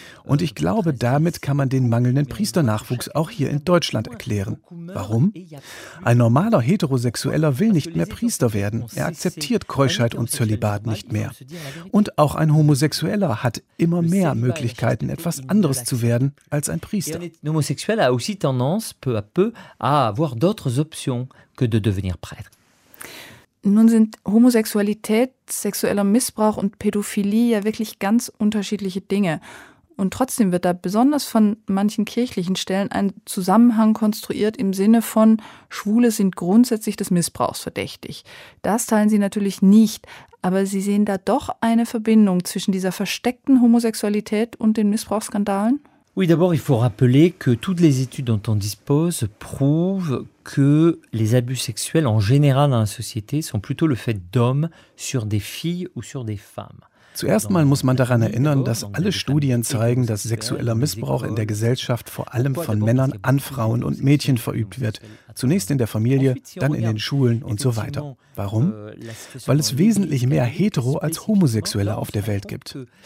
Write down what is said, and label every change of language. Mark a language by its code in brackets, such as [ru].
[de] Und ich glaube, damit kann man den mangelnden Priesternachwuchs auch hier in Deutschland erklären. Warum? Ein normaler Heterosexueller will nicht mehr Priester werden. Er akzeptiert Keuschheit und Zölibat nicht mehr. Und auch ein Homosexueller hat immer mehr Möglichkeiten, etwas anderes zu werden als ein Priester. Ein Homosexueller hat auch [fr] tendance, peu à peu, à avoir d'autres options que de devenir prêtre. [de] Nun sind Homosexualität, sexueller Missbrauch und Pädophilie ja wirklich ganz unterschiedliche Dinge. Und trotzdem wird da besonders von manchen kirchlichen Stellen ein Zusammenhang konstruiert im Sinne von, Schwule sind grundsätzlich des Missbrauchs verdächtig. Das teilen Sie natürlich nicht, aber Sie sehen da doch eine Verbindung zwischen dieser versteckten Homosexualität und den Missbrauchsskandalen? [fr] Oui, d'abord, il faut rappeler que toutes les études dont on dispose prouvent que les abus sexuels en général dans la société sont plutôt le fait d'hommes sur des filles ou sur des femmes. [de] Zuerst mal muss man daran erinnern, dass alle Studien zeigen, dass sexueller Missbrauch in der Gesellschaft vor allem von Männern an Frauen und Mädchen verübt wird. Zunächst in der Familie, dann in den Schulen und so weiter. Warum? Weil es wesentlich mehr Hetero- als Homosexuelle auf der Welt gibt.